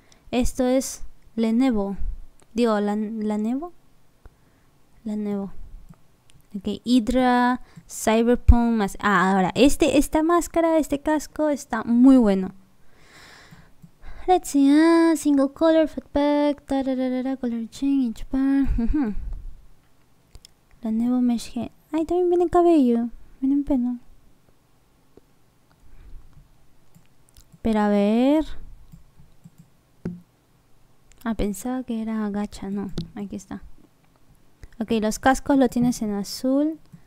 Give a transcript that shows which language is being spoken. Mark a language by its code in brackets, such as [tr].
[es] Esto es Lenovo. Digo, ¿la Nevo? La Nevo. Ok, Hydra, Cyberpunk. Ahora, esta máscara, este casco está muy bueno. [en] Let's see, single color, feedback, color change, each part. [es] La nueva mesh head. Ay, también viene cabello. Viene un pelo. Pero a ver. Ah, pensaba que era gacha. No, aquí está. Ok, los cascos lo tienes en azul.